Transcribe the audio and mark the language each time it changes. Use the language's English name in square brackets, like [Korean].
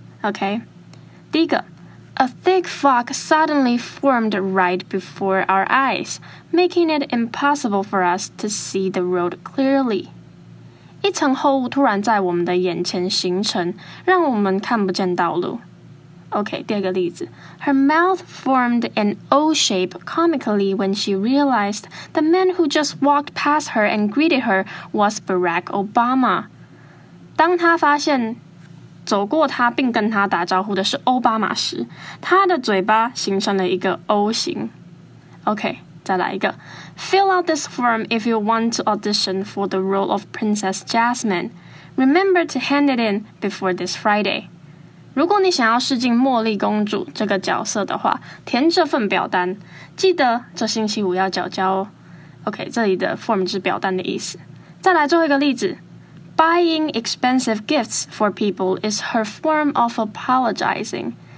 [English] OK， [Chinese] 第一个 [English] ，A thick fog suddenly formed right before our eyes, making it impossible for us to see the road clearly. [Chinese] 一层厚雾突然在我们的眼前形成，让我们看不见道路。 [English] OK， [Chinese] 第二个例子 [English] ，Her mouth formed an O shape comically when she realized the man who just walked past her and greeted her was Barack Obama。 [Chinese] 当她发现走过她并跟她打招呼的是奥巴马时，她的嘴巴形成了一个 O 形。 OK。再来一个 [English] Fill out this form if you want to audition for the role of Princess Jasmine. Remember to hand it in before this Friday. [Chinese] 如果你想要试镜茉莉公主这个角色的话，填这份表单，记得这星期五要缴交哦。 [English] OK， [Chinese] 这里的 form 是表单的意思。再来最后一个例子 [English] Buying expensive gifts for people is her form of apologizing.